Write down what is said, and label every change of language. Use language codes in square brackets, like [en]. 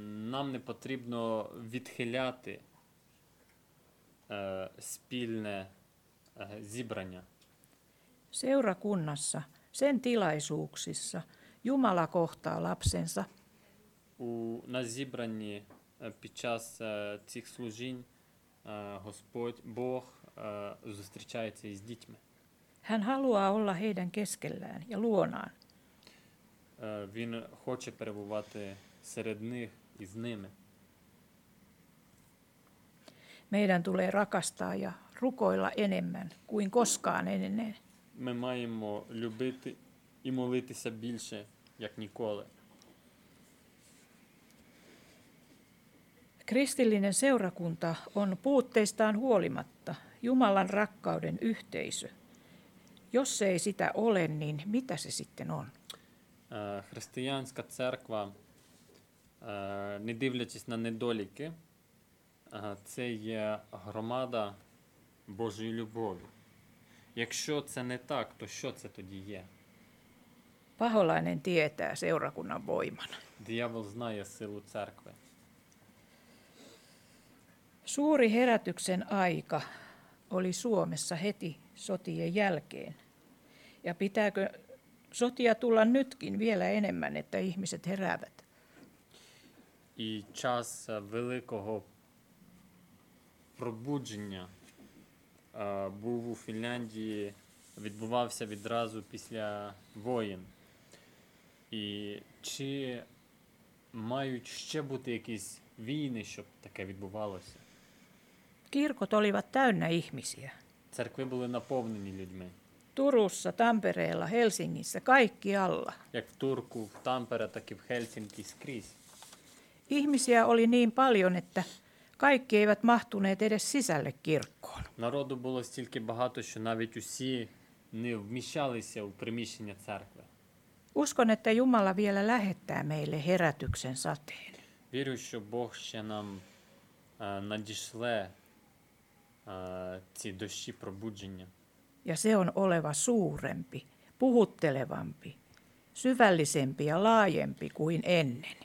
[uk] нам не потрібно відхиляти спільне зібрання. [fi] Seurakunnassa, sen tilaisuuksissa, Jumala kohtaa lapsensa. [uk] На зібранні під час цих служінь Господь Бог зустрічається із дітьми. [fi] Hän haluaa olla heidän keskellään ja luonaan. [uk] Він хоче перебувати серед них і з ними. [fi] Meidän tulee rakastaa ja rukoilla enemmän kuin koskaan ennen. [uk] Ми маємо любити і молитися більше, як ніколи. [fi] Kristillinen seurakunta on puutteistaan huolimatta Jumalan rakkauden yhteisö. Jos se ei sitä ole, niin mitä se sitten on? [uk] Християнська церква, не дивлячись на недоліки, це є громада Божої любові. Якщо це не так, то що це тоді є? [fi] Paholainen tietää seurakunnan voiman. [uk] Diavol знає силу церкви. [fi] Suuri herätyksen aika oli Suomessa heti sotien jälkeen. Ja pitääkö sotia tulla nytkin vielä enemmän, että ihmiset heräävät? [uk] І час великого пробудження був у Фінляндії, відбувався відразу після воєн. І чи мають ще бути якісь війни, щоб таке відбувалося? [fi] Kirkot olivat täynnä ihmisiä. [uk] Церкви були наповнені людьми. [fi] Turussa, Tampereella, Helsingissä, kaikkialla. [uk] Як в Турку, в Тампере, так і в Хельсинки, скрізь. [fi] Ihmisiä oli niin paljon, että kaikki eivät mahtuneet edes sisälle kirkkoon. [uk] Народу було стільки багато, що навіть усі не вміщалися у приміщення церкви. [fi] Uskon, että Jumala vielä lähettää meille herätyksen sateen. [uk] Вірю, що Бог ще нам надішле ці дощі пробудження. [fi] Ja se on oleva suurempi, puhuttelevampi, syvällisempi ja laajempi kuin ennen.